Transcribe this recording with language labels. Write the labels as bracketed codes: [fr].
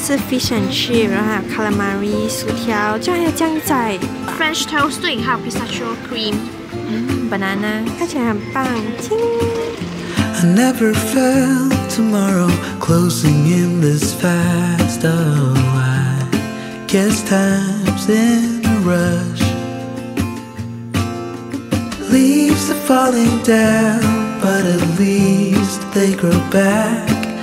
[zh] fish and chip， 然后还有 calamari 薯条，这样还有酱油仔 [en] ，French toast， [zh] 对，还有 [en] pistachio cream， [zh] 嗯 ，banana， 看起来很棒，亲。 [en] I never felt tomorrow closing in this fast. Oh, I guess time's in a rush. Leaves are falling down, but at least they grow back.